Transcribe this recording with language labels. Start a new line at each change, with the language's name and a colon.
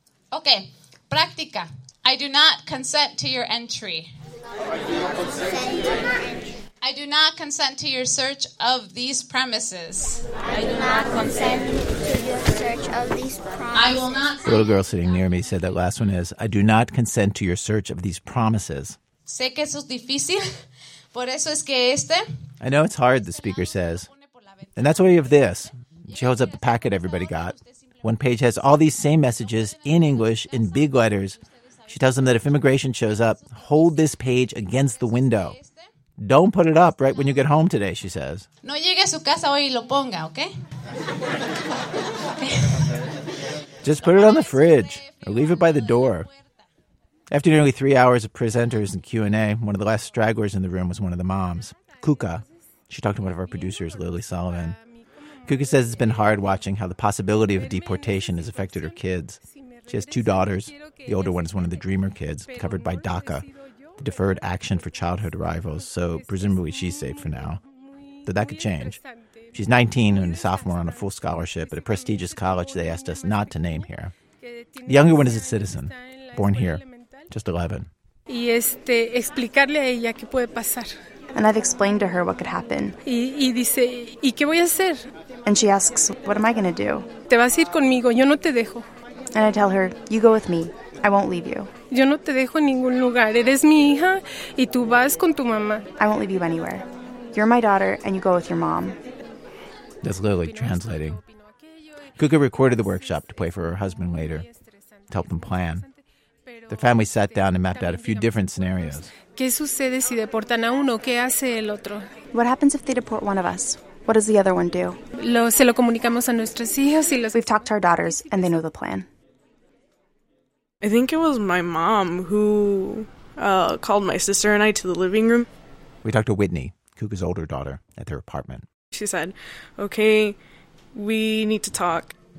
English: Okay,
Spanish: practica.
English: I do not consent to your entry. I do not consent to your search of these premises. I do not consent to your search of these premises. I will not. The little girl sitting near me said that last one is, I do not consent to your search of these premises.
Spanish: Sé que eso es difícil, por eso es que este.
English: I know it's hard, the speaker says. And that's why you have this. She holds up the packet everybody got. One page has all these same messages in English in big letters. She tells them that if immigration shows up, hold this page against the window. Don't put it up right when you get home today, she says.
Spanish: No llegue a su casa hoy y lo ponga, okay?
English: Just put it on the fridge or leave it by the door. After nearly 3 hours of presenters and Q&A, one of the last stragglers in the room was one of the moms, Kuka. She talked to one of our producers, Lily Sullivan. Kuka says it's been hard watching how the possibility of deportation has affected her kids. She has two daughters. The older one is one of the Dreamer kids, covered by DACA, the Deferred Action for Childhood Arrivals, so presumably she's safe for now. Though that could change. She's 19 and a sophomore on a full scholarship at a prestigious college they asked us not to name here. The younger one is a citizen, born here, just 11.
Spanish: Y este, explicarle a ella qué puede pasar.
English: And I've explained to her what could happen.
Spanish: Y dice, ¿y qué voy a hacer?
English: And she asks, what am I going to do?
Spanish: Te vas a ir conmigo, yo no te dejo.
English: And I tell her, you go with me, I won't leave you.
Spanish: Yo no te dejo en ningún lugar, eres mi hija y tú vas con tu mamá.
English: I won't leave you anywhere. You're my daughter and you go with your mom. That's Lily translating. Kuka recorded the workshop to play for her husband later, to help them plan. The family sat down and mapped out a few different scenarios.
Spanish: ¿Qué sucede si deportan a uno? ¿Qué hace el otro?
English: What happens if they deport one of us? What does the other one do?
Spanish: Se lo comunicamos a nuestros hijos y los.
English: We've talked to our daughters and they know the plan. I think it was my mom who called my sister and I to the living room. We talked to Whitney, Kuka's older daughter, at their apartment. She said, okay, we need to talk.